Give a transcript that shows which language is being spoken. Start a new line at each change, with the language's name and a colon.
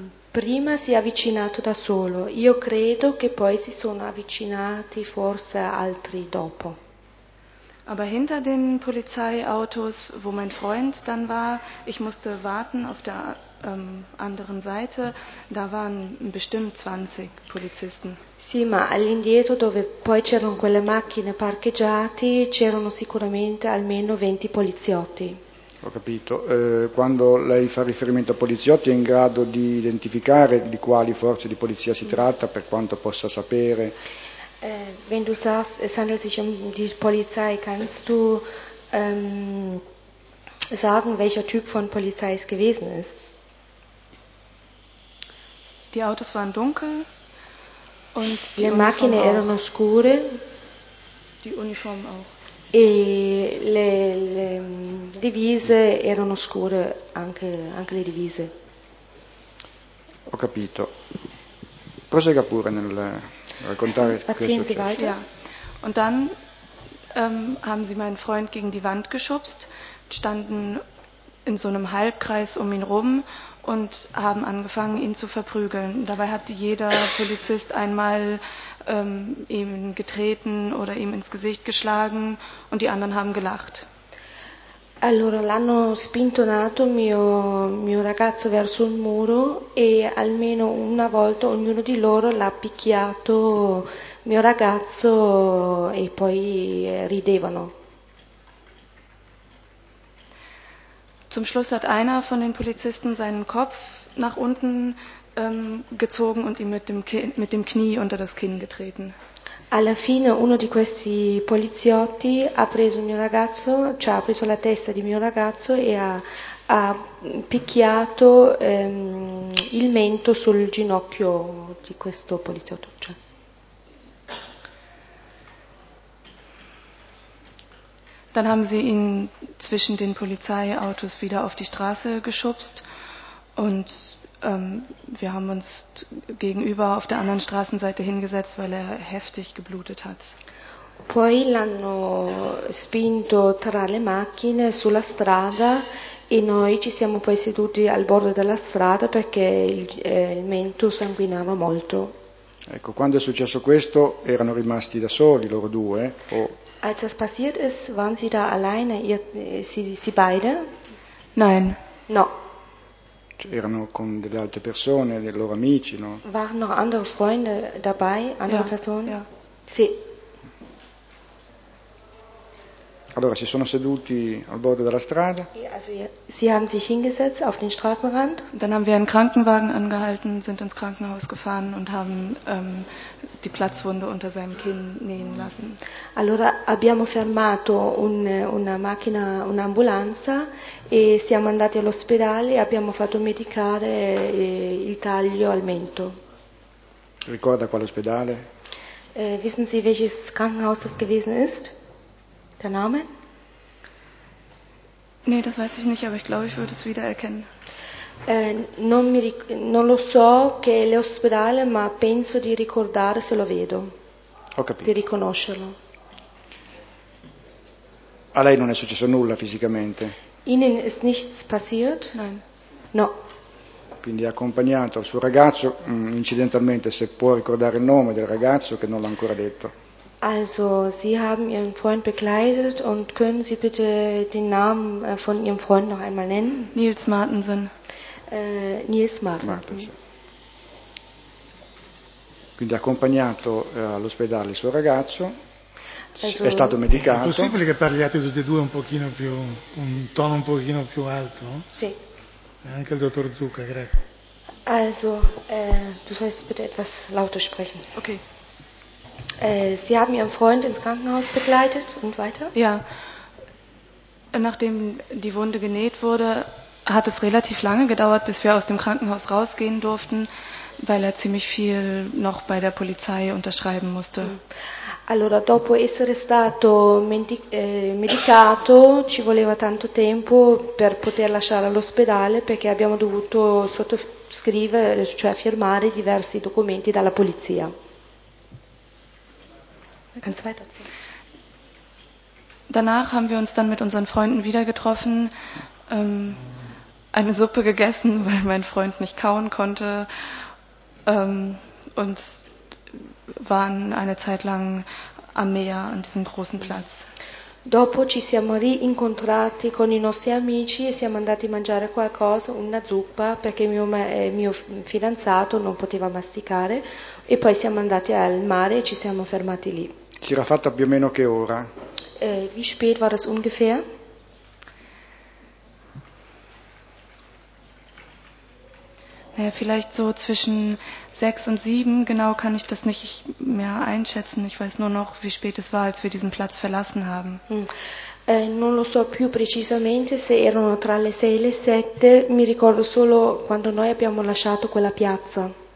Italian: Prima si è avvicinato da solo. Io credo che poi si sono avvicinati forse altri dopo.
German: Aber hinter den Polizeiautos, wo mein Freund dann war, ich musste warten auf der anderen Seite, da waren bestimmt 20 Polizisten.
Italian: Sì, ma all'indietro, dove poi c'erano quelle macchine parcheggiate, c'erano sicuramente almeno 20 poliziotti. Ho capito. Quando lei fa riferimento a poliziotti, è in grado di identificare di quali forze di polizia si tratta, per quanto possa sapere?
German: Wenn du sagst, es handelt sich um die Polizei, kannst du sagen, welcher Typ von Polizei es gewesen ist? Die Autos waren dunkel und
Italian: le macchine erano scure.
German: Die Uniform auch.
Italian: E le divise erano scure, anche le divise. Ho capito. Prosegga pure nel raccontare questo.
German: Ja. Und dann haben sie meinen Freund gegen die Wand geschubst, standen in so einem Halbkreis um ihn rum und haben angefangen, ihn zu verprügeln. Dabei hat jeder Polizist einmal ihm getreten oder ihm ins Gesicht geschlagen und die anderen haben gelacht.
Italian: Allora l'hanno spintonato mio ragazzo verso il muro e almeno una volta ognuno di loro l'ha picchiato mio ragazzo e poi ridevano.
German: Zum Schluss hat einer von den Polizisten seinen Kopf nach unten gezogen und ihm mit dem Knie unter das Kinn getreten.
Italian: Alla fine uno di questi poliziotti ha preso mio ragazzo, cioè ha preso la testa di mio ragazzo e ha picchiato il mento sul ginocchio di questo poliziotto. Cioè.
German: Dann haben sie ihn zwischen den Polizeiautos wieder auf die Straße geschubst und wir haben uns gegenüber auf der anderen Straßenseite hingesetzt, weil er heftig geblutet hat.
Italian: Poi l'hanno spinto tra le macchine sulla strada e noi ci siamo poi seduti al bordo della strada perché il mento sanguinava molto. Ecco, quando è successo questo erano rimasti da soli loro due o?
German: Als das passiert ist, waren sie da alleine, sie beide? Nein.
Italian: No. Cioè, erano con delle altre persone, dei loro amici, no?
German: Waren noch andere Freunde dabei, andere ja,
Italian: persone?
German: Ja.
Italian: Sì. Allora, si sono seduti al bordo della strada.
German: Also, sie haben sich hingesetzt auf den Straßenrand. Dann haben wir einen Krankenwagen angehalten, sind ins Krankenhaus gefahren und haben die Platzwunde unter seinem Kinn nähen lassen.
Italian: Allora, abbiamo fermato una macchina, un'ambulanza e siamo andati all'ospedale e abbiamo fatto medicare il taglio al mento. Ricorda quale ospedale?
German: Wissen Sie, welches Krankenhaus das gewesen ist? Der Name? Nee, das weiß ich nicht, aber ich glaube, ich würde es wiedererkennen.
Italian: Non lo so che è l'ospedale, ma penso di ricordare se lo vedo. Ho capito. Di riconoscerlo. A lei non è successo nulla fisicamente?
German: Ihnen ist nichts passiert? Nein.
Italian: No. Quindi ha accompagnato il suo ragazzo, incidentalmente, se può ricordare il nome del ragazzo, che non l'ha ancora detto.
German: Also, Sie haben Ihren Freund begleitet und können Sie bitte den Namen von Ihrem Freund noch einmal nennen? Nils Martensen. Nils Martensen.
Italian: Quindi ha accompagnato all'ospedale il suo ragazzo, è stato medicato. È possibile che parliate tutti e due un pochino più, un tono un pochino più alto? Sì. Anche il dottor Zucca, grazie.
German: Also, du sollst bitte etwas lauter sprechen. Okay. Sie haben Ihren Freund ins Krankenhaus begleitet und weiter? Ja, nachdem die Wunde genäht wurde, hat es relativ lange gedauert, bis wir aus dem Krankenhaus rausgehen durften, weil er ziemlich viel noch bei der Polizei unterschreiben musste.
Italian: Allora, dopo essere stato medicato, ci voleva tanto tempo per poter lasciare all'ospedale, perché abbiamo dovuto sottoscrivere, cioè firmare diversi documenti dalla polizia.
German: Danach haben wir uns dann mit unseren Freunden wieder getroffen, eine Suppe gegessen, weil mein Freund nicht kauen konnte, und waren eine Zeit lang am Meer an diesem großen Platz.
Italian: Dopo ci siamo rincontrati con i nostri amici e siamo andati a mangiare qualcosa, una zuppa, perché mio fidanzato non poteva masticare, e poi siamo andati al mare e ci siamo fermati lì. Si era fatta più o meno che ora?
German: Wie spät war das ungefähr? Naja, vielleicht so zwischen 6 und 7, genau kann ich das nicht mehr einschätzen. Ich weiß nur noch, wie spät es war, als wir diesen Platz verlassen haben.
Italian: Non lo so più precisamente se erano tra le 6 e le 7, mi ricordo solo quando noi abbiamo lasciato quella piazza.